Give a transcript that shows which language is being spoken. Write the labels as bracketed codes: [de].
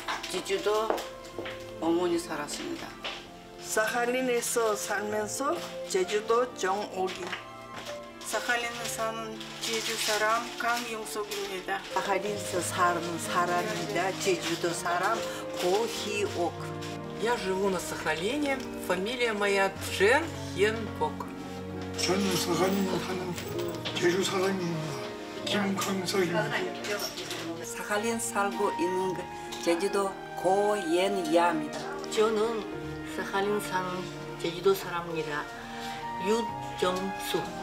[ko] 제주도 어머니 살았습니다. 사할린에서 살면서 제주도 정옥이. 사할린에 사는 제주 사람 강용석입니다. 사할린에서 사는 사람입니다. 제주도 사람 고희옥. [ru] Я живу на Сахалине. Фамилия моя Чжэн Хенпок. [ko] 저는 사할린에 사는 제주 사람입니다. 김강석입니다. 사할린 살고 있는 제주도 고옌야입니다. 저는 사할린 사는 제주도 사람입니다. 유정수.